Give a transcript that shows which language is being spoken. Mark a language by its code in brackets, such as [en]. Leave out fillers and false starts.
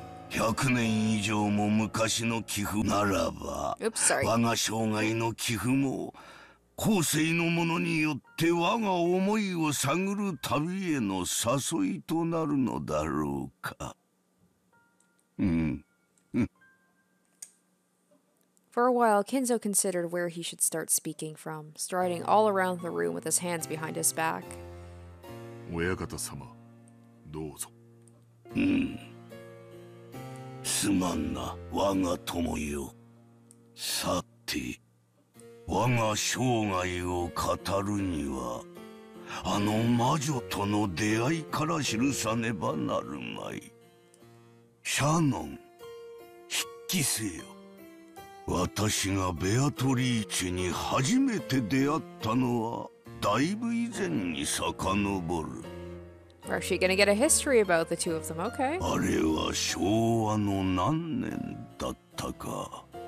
[ja] 100年以上も昔の棋譜ならば、我が生涯の棋譜も後世のものによって我が思いを探る旅への誘いとなるのだろうか。 [en] For a while, Kinzo considered where he should start speaking from, striding all around the room with his hands behind his back. [ja] 親方様、どうぞ。すまんな、我が友よ。さて、我が生涯を語るには、あの魔女との出会いから記さねばなるまい。シャノン、筆記せよ。私がベアトリーチェに初めて出会ったのは、だいぶ以前に遡る。 [en] We're actually gonna get a history about the two of them, okay? [ja] あれは昭和の何年だったか。